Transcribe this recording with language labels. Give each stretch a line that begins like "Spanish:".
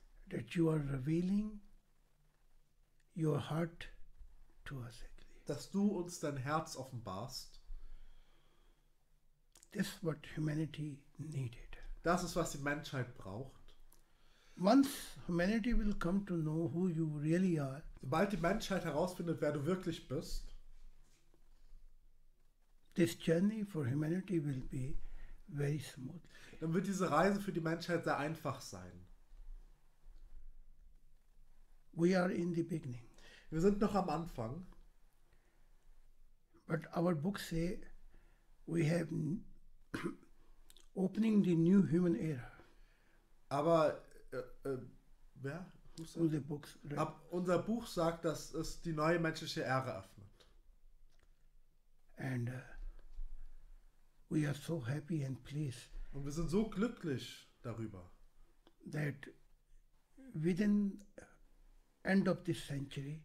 English: That you are revealing your heart to us.
German: Dass du uns dein Herz offenbarst.
English: This what humanity needed.
German: Das ist, was die Menschheit braucht.
English: Once humanity will come to know who you really are.
German: Sobald die Menschheit herausfindet, wer du wirklich bist.
English: This journey for humanity will be very smooth.
German: Dann wird diese Reise für die Menschheit sehr einfach sein.
English: We are in the beginning.
German: Wir sind noch am Anfang.
English: But our books say we have opening the new human era.
German: Aber wer?
English: Who's that?
German: Unser Buch,
English: right?
German: Unser Buch sagt, dass es die neue menschliche Ära öffnet.
English: And we are so happy and pleased.
German: Und wir sind so glücklich darüber.
English: That within end of this century.